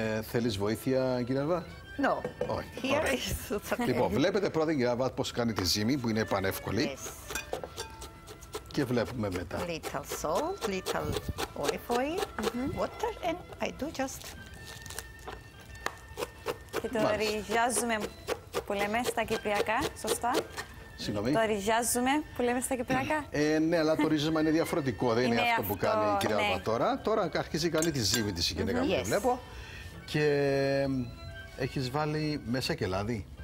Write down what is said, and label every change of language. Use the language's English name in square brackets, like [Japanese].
[Greek] Θέλεις βοήθεια, κυρία Αλβάρντ? [English] No. [Greek] Όχι. [English] Here is okay. [Greek] Λοιπόν, βλέπετε πρώτα, κυρία Αλβάρντ, πώς κάνει τη ζύμη, που είναι πανεύκολη. [English] Yes. [Greek] Και βλέπουμε μετά. [English] Little salt, little olive oil, water and I do just... [Greek] Και το Μάλιστα. ριζιάζουμε που λέμε στα κυπριακά, σωστά. Συγγνώμη. Το ριζιάζουμε που λέμε στα κυπριακά. Ναι, αλλά το ρίζωμα είναι διαφορετικό, δεν είναι αυτό που κάνει η κυρία Αλβάρντ τώρα. Τώρα αρχίζει κάνει τη ζύμη της η γυναίκα που [English] yes. [Greek] βλέπω. Και έχεις βάλει μέσα και λάδι.